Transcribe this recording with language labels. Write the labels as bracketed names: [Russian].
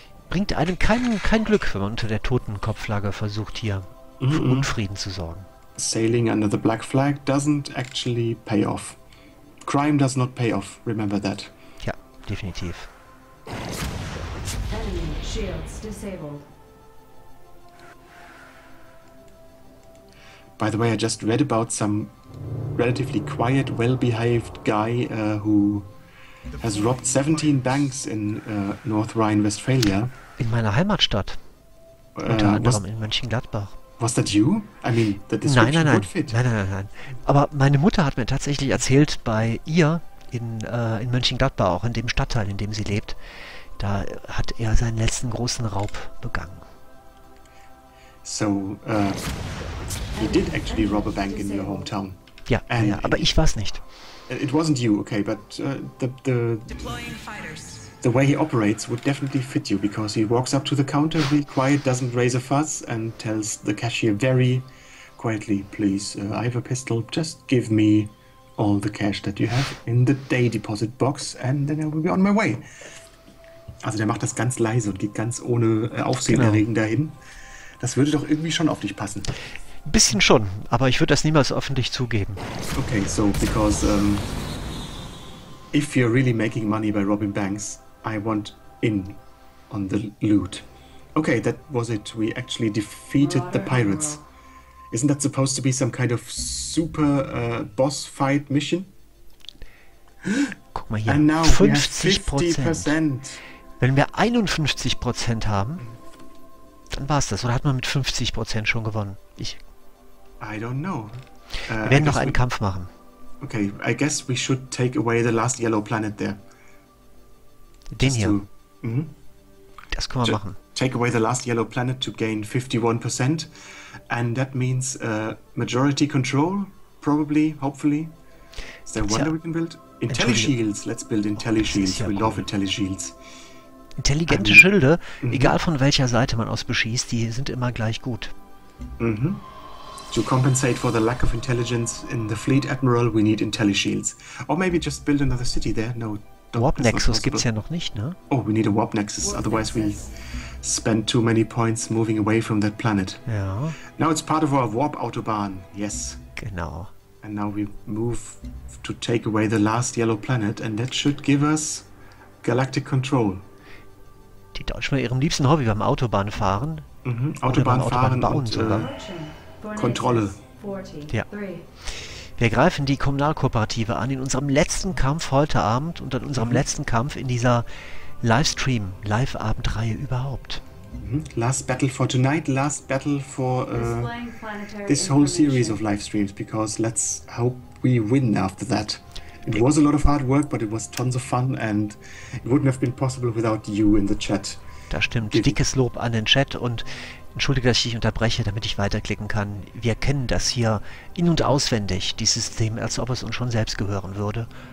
[German] Bringt einem kein Glück, wenn man unter der Totenkopflagge versucht, hier für Unfrieden zu sorgen. [English] Sailing under the black flag doesn't actually pay off. Crime does not pay off, remember that. [German] Ja, definitiv. [English] Enemy shields disabled. By the way, I just read about some relatively quiet, well-behaved guy who has robbed 17 banks in North Rhine-Westphalia. [German] In meiner Heimatstadt. Unter anderem in Mönchengladbach. [English] Was that you? I mean, that this would be good fit. [German] Nein. Aber meine Mutter hat mir tatsächlich erzählt, bei ihr in Mönchengladbach, auch in dem Stadtteil, in dem sie lebt, da hat er seinen letzten großen Raub begangen. [English] So, he did actually rob a bank in your hometown. [German] Ja, and ja, aber ich war's nicht. [English] It wasn't you, okay, but deploying fighters. The way he operates would definitely fit you, because he walks up to the counter real quiet, doesn't raise a fuss, and tells the cashier very quietly, please, I have a pistol, just give me all the cash that you have in the day deposit box, and then I will be on my way. [German] Also der macht das ganz leise und geht ganz ohne Aufsehenerregen dahin. Das würde doch irgendwie schon auf dich passen. Bisschen schon, aber ich würde das niemals öffentlich zugeben. [English] Okay, so, because if you're really making money by robbing banks, I want in on the loot. Okay, that was it. We actually defeated the pirates. Isn't that supposed to be some kind of super boss fight mission? [German] Guck mal hier. [English] And now 50%. [German] Wenn wir 51% haben, dann war's das. Oder hat man mit 50% schon gewonnen? [English] I don't know. [German] Wir werden noch einen Kampf machen. [English] Okay, I guess we should take away the last yellow planet there. [German] Den hier. Mm-hmm. Das können wir machen. [English] Take away the last yellow planet to gain 51%. And that means majority control, probably, hopefully. Is there one that we can build? IntelliShields. Let's build IntelliShields. We love IntelliShields. [German] Intelligente Schilde, egal von welcher Seite man aus beschießt, die sind immer gleich gut. Mm-hmm. [English] To compensate for the lack of intelligence in the fleet, Admiral, we need IntelliShields. Or maybe just build another city there. No. [German] Warp Nexus gibt's ja noch nicht, ne? [English] Oh, we need a Warp Nexus, otherwise we spend too many points moving away from that planet. [German] Ja. [English] Now it's part of our Warp Autobahn, yes. [German] Genau. [English] And now we move to take away the last yellow planet and that should give us galactic control. [German] Die Deutschen bei ihrem liebsten Hobby beim Autobahn fahren. Mhm, Autobahn fahren bauen und Kontrolle. 40, ja. 3. Wir greifen die Kommunalkooperative an in unserem letzten Kampf heute Abend und in unserem letzten Kampf in dieser Livestream-Live-Abend-Reihe überhaupt. [English] Last battle for tonight, last battle for this whole series of Livestreams, because let's hope we win after that. It was a lot of hard work, but it was tons of fun and it wouldn't have been possible without you in the chat. [German] Das stimmt. Dickes Lob an den Chat und entschuldige, dass ich dich unterbreche, damit ich weiterklicken kann. Wir kennen das hier in- und auswendig, dieses System, als ob es uns schon selbst gehören würde.